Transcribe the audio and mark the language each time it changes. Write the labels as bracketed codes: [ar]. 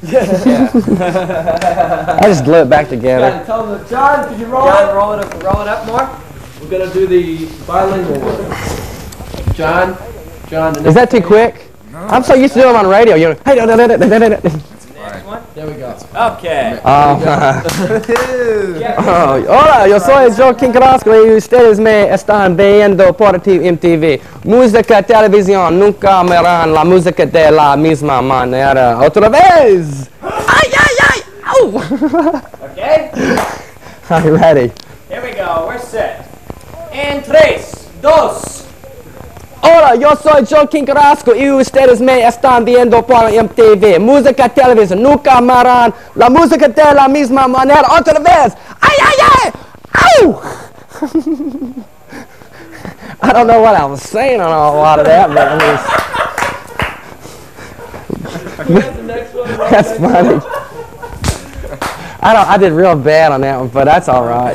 [en] Yeah. I just glue it back together. You gotta tell them, John, can you roll it? Roll it up more. We're gonna do the bilingual one. John, is that too quick? No, I'm so used to doing them on radio. You know, hey, no. Next one? There we go. Okay. [es] Hola, yo soy Joaquin Carrasco y ustedes me están viendo por MTV. Música televisión nunca verán la música de la misma manera otra vez. Ay, ay, ay! Ow! [en] Okay. Are you ready? Here we go. We're set. [es] En tres, dos. Hola, yo soy Joaquin Carrasco y ustedes me están viendo por MTV. Música televisión nunca marán la música de la misma manera otra vez. Ay, ay, ay! Ow! [en] I don't know what I was saying on a lot of that, but at least. That's funny. I did real bad on that one, but that's all right.